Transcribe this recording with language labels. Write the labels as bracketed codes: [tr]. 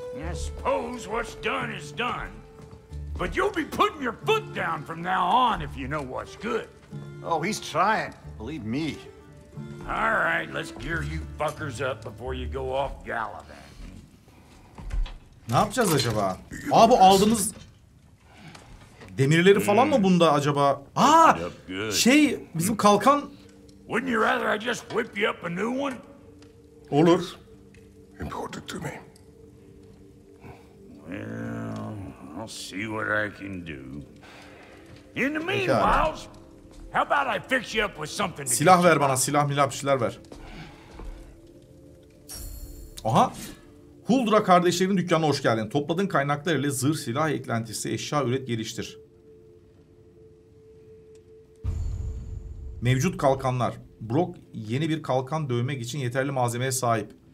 [en] I suppose what's done is done. But you'll be putting your foot down from now on if you know what's good. Oh, he's trying, believe me. All right, let's gear you fuckers up before you go off gallivanting. [tr] Ne yapacağız acaba? Aa, bu aldığımız demirleri falan mı bunda acaba? Aa, şey, bizim kalkan. [en] Wouldn't you rather I just whip you up a new one? [tr] Olur. [en] Important to me. Well, I'll see what I can do. In the meanwhile, how about I fix you up with something? [tr] Silah ver bana, silah milah bir şeyler ver. Oha! Huldra kardeşlerinin dükkanına hoş geldin. Topladığın kaynaklar ile zırh silah eklentisi eşya üret geliştir. Mevcut kalkanlar. Brock yeni bir kalkan dövmek için yeterli malzemeye sahip.